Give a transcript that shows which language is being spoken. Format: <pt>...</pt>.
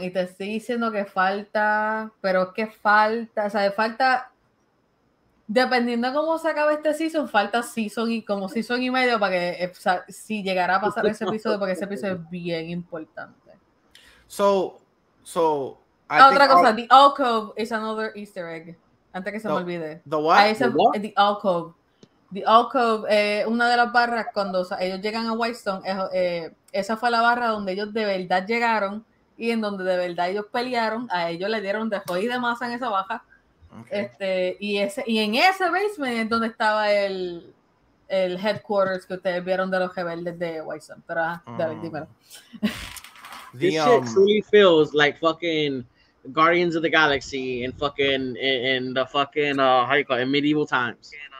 <es>Y te estoy diciendo que falta, pero es que falta, o sea, falta, dependiendo de cómo se acabe este season, falta season y como season y medio para que, o sea, si llegara a pasar ese episodio, porque ese episodio es bien importante.</es> <en>So, I think</en> <es>otra cosa,</es> <en>the alcove is another Easter egg.</en> <es>Antes que se me olvide.</es> <en>The what? The alcove.</en> <es>The alcove, una de las barras cuando ellos llegan a Whitestone, esa fue la barra donde ellos de verdad llegaron y en donde de verdad ellos pelearon, a ellos le dieron de joy de masa en esa baja. Okay. Y en ese basement es donde estaba el headquarters que ustedes vieron de los rebeldes de Whitestone. Pero dímelo.</es> <en>This shit truly feels like fucking Guardians of the Galaxy and fucking in the fucking how you call it, in medieval times.</en>